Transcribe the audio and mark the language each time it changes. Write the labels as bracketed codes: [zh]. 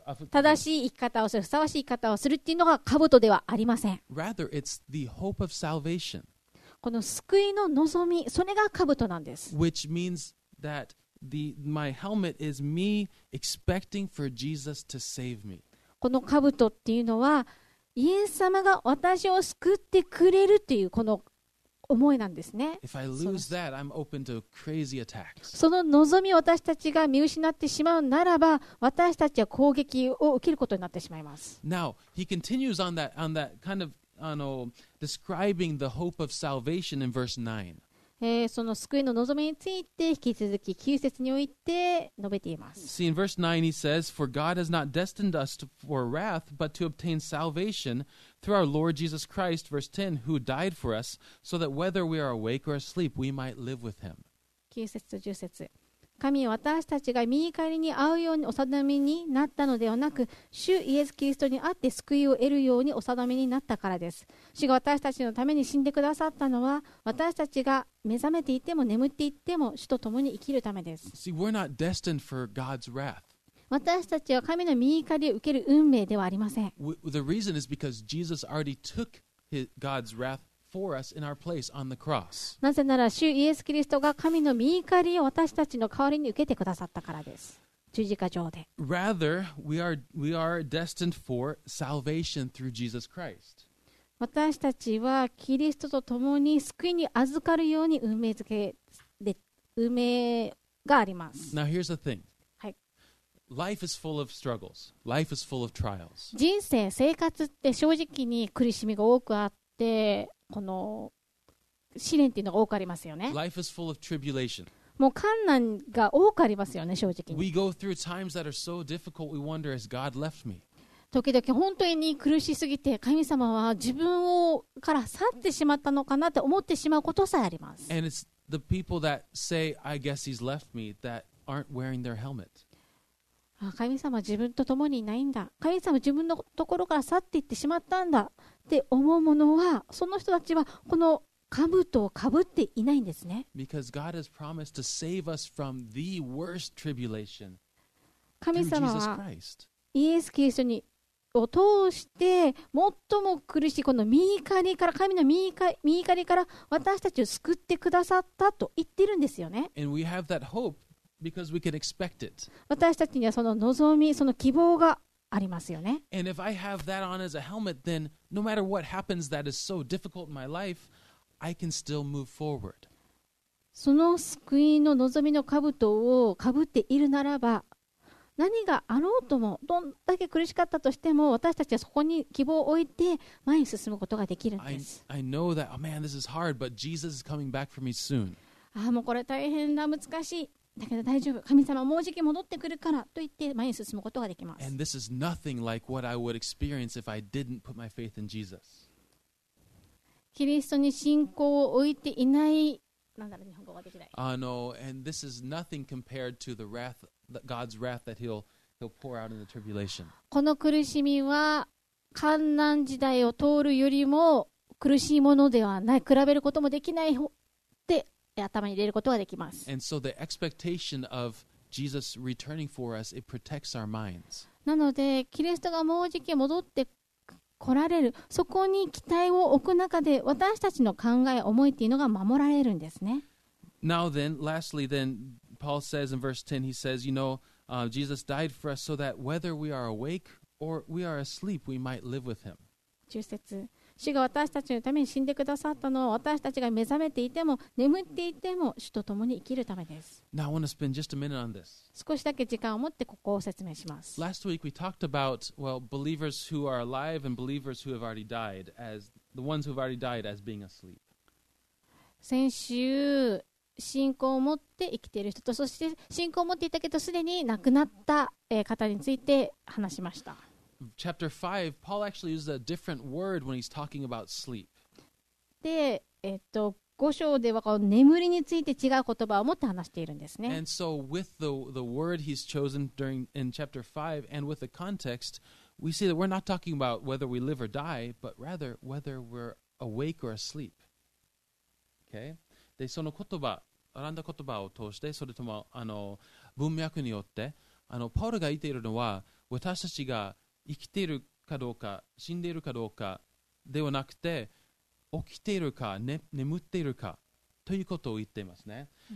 [ja] 正しい生き方をする、ふさわしい生き方をするっていうのが兜ではありません。 [en] Rather, it's the hope of salvation. [ja] この救いの望み、それが兜なんです。 [en] Which means that my helmet is me expecting for Jesus to save me. [ja] この兜っていうのは、イエス様が私を救ってくれるっていうこの思いなんですね。 [en] If I lose that, I'm open to crazy attacks. [ja] その望みを私たちが見失ってしまうならば、私たちは攻撃を受けることになってしまいます。 [en] Now, he continues on that kind of describing the hope of salvation in verse 9. [ja] その救いの望みについて引き続き9節において述べています。 [en] See, in verse 9 he says, For God has not destined us for wrath, but to obtain salvation,Through our Lord Jesus Christ, verse 10, who died for us, so that whether we are awake or asleep, we might live with him. [ja] 9節と10節。神は私たちが身代わりに遭うようにお定めになったのではなく、主イエス・キリストにあって救いを得るようにお定めになったからです。主が私たちのために死んでくださったのは、私たちが目覚めていても眠っていっても主と共に生きるためです。 [en] See, we're not destined for God's wrath. [ja] 私たちは神の御怒りを受ける運命ではありません。 [en] The reason is because Jesus already took God's wrath for us in our place on the cross. [ja] なぜなら主イエス・キリストが神の御怒りを私たちの代わりに受けてくださったからです。十字架上で。 [en] Rather, we are destined for salvation through Jesus Christ. [ja] 私たちはキリストと共に救いに預かるように運命があります。 [en] Now here's the thing. Life is full of struggles. Life is full of trials. [ja] 人生、生活って正直に苦しみが多くあって、この試練っていうのが多くありますよね。 [en] Life is full of tribulation. [ja] もう困難が多くありますよね、正直に。 [en] We go through times that are so difficult, we wonder, has God left me? [ja] 時々本当に苦しすぎて神様は自分をから去ってしまったのかなって思ってしまうことさえあります。 [en] And it's the people that say, I guess he's left me, that aren't wearing their helmet. [ja] 神様は自分と共にいないんだ、神様は自分のところから去っていってしまったんだって思うものは、その人たちはこの兜をかぶっていないんですね。 [en] Because God has promised to save us from the worst tribulation through Jesus Christ. [ja] 神様はイエス・キリストにを通して最も苦しいこの身怒りから、神の身怒りから私たちを救ってくださったと言ってるんですよね。 [en] And we have that hope because we can expect it. [ja] 私たちにはその望み、その希望がありますよね。 [en] And if I have that on as a helmet, then no matter what happens that is so difficult in my life, I can still move forward. [ja] その救いの望みの兜をかぶっているならば、何があろうとも、どんだけ苦しかったとしても、私たちはそこに希望を置いて前に進むことができるんです。 [en] I know that, oh man, this is hard, but Jesus is coming back for me soon. [ja] ああ、もうこれ大変だ、難しい。だけど大丈夫、神様もうじき戻ってくるからと言って前に進むことができます。 [en] And this is nothing like what I would experience if I didn't put my faith in Jesus. [ja] キリストに信仰を置いていない、なんだろう、日本語ができない。 [en] And this is nothing compared to the wrath. God's wrath that he'll pour out in the tribulation. [ja] この苦しみは患難時代を通るよりも苦しいものではない、比べることもできないって頭に入れることができます。 [en] And so the expectation of Jesus returning for us, it protects our minds. [ja] なのでキリストがもうじき戻って来られる、そこに期待を置く中で私たちの考え、思いっていうのが守られるんですね。 [en] Now then, lastly thenPaul says in verse 10, he says, you know, Jesus died for us so that whether we are awake or we are asleep, we might live with him. [ja] 10節、主が私たちのために死んでくださったのは、私たちが目覚めていても眠っていても主と共に生きるためです。 [en] Now I want to spend just a minute on this. [ja] 少しだけ時間を持ってここを説明します。 [en] Last week we talked about, well, believers who are alive and believers who have already died, as the ones who have already died as being asleep. [ja] 先週信仰を持って生きている人と、そして信仰を持っていたけどすでに亡くなった方について話しました。 [en] Chapter 5, Paul actually uses a different word when he's talking about sleep. [ja] で、5章ではこの眠りについて違う言葉を持って話しているんですね。 [en] And so with the word he's chosen during in chapter 5 and with the context, we see that we're not talking about whether we live or die, but rather whether we're awake or asleep. Okay? [ja] でその言葉、選んだ言葉を通して、それとも文脈によってパウロが言っているのは、私たちが生きているかどうか死んでいるかどうかではなくて、起きているか、ね、眠っているかということを言っていますね。